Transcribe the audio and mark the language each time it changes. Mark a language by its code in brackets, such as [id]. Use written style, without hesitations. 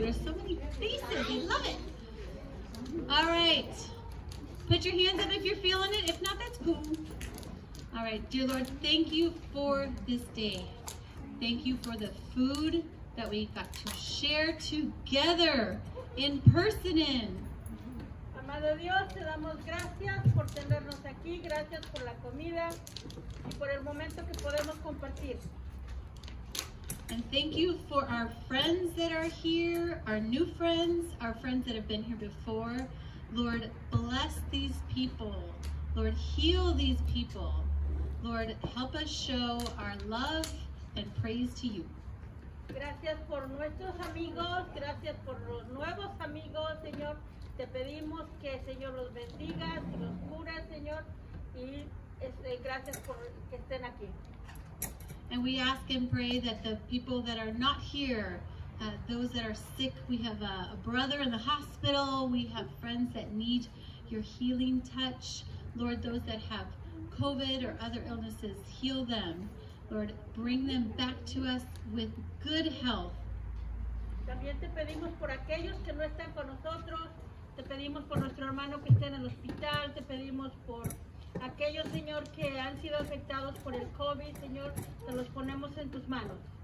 [en] There's so many faces. I love it. Alright. Put your hands up if you're feeling it. If not, that's cool. Alright, dear Lord, thank you for this day. Thank you for the food that we got to share together in person in. [es] Amado Dios, te damos gracias por tenernos aquí, gracias por la comida y por el momento que podemos compartir. [en] And thank you for our friends that are here, our new friends, our friends that have been here before. Lord, bless these people. Lord, heal these people. Lord, help us show our love and praise to you. [es] Gracias por nuestros amigos, gracias por los nuevos amigos, Señor. Te pedimos que Señor los bendiga, que los cura, Señor, y gracias por que estén aquí. [en] And we ask and pray that the people that are not here, those that are sick, we have a brother in the hospital, we have friends that need your healing touch. Lord, those that have COVID or other illnesses, heal them. Lord, bring them back to us with good health. [es] También te pedimos por aquellos que no están con nosotros, te pedimos por nuestro hermano que está en el hospital, te pedimos por aquellos, Señor, que han sido afectados por el COVID, Señor, te los ponemos en tus manos.